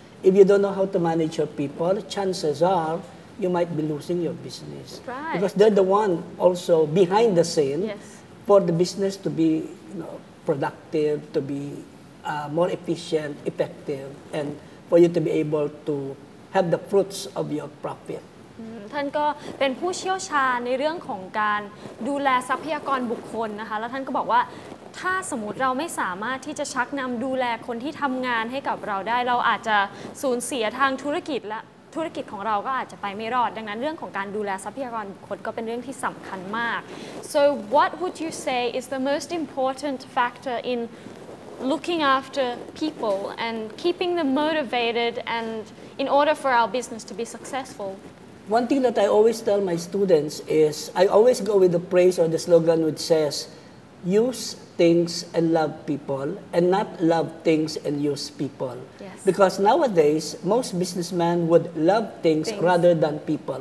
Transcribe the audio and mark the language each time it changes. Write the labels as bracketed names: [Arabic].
[English] If you don't know how to manage your people, chances are you might be losing your business. Right. Because they're the one also behind the scene, yes. For the business to be, you know, productive, to be more efficient, effective, and for you to be able to have the fruits of your profit. [Thai] ท่านก็เป็นผู้เชี่ยวชาญในเรื่องของการดูแลทรัพยากรบุคคลนะคะแล้วท่านก็บอกว่าถ้าสมมุติเราไม่สามารถที่จะชักนำดูแลคนที่ทำงานให้กับเราได้เราอาจจะสูญเสียทางธุรกิจและธุรกิจของเราก็อาจจะไปไม่รอดดังนั้นเรื่องของการดูแลทรัพยากรบุคคลก็เป็นเรื่องที่สำคัญมาก So what would you say is the most important factor in looking after people and keeping them motivated and in order for our business to be successful? [English] One thing that I always tell my students is, I always go with the phrase or the slogan which says, use things and love people, and not love things and use people. Yes. Because nowadays, most businessmen would love things rather than people.